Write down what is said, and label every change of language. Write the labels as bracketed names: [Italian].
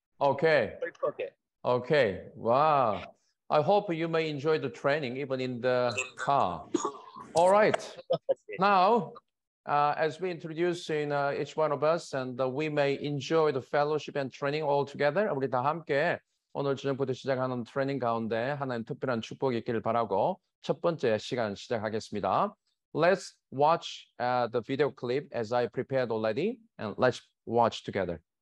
[English] Okay. But it's okay. Okay. Wow. I hope you may enjoy the training even in the car. All right. Okay. Now, as we introduce in each one of us, and we may enjoy the fellowship and training all together. [Korean] 우리 다 함께 오늘 저녁부터 시작하는 트레이닝 가운데 하나님 특별한 축복이 있기를 바라고 첫 번째 시간 시작하겠습니다. [English] Let's watch the video clip as I prepared already, and let's watch together.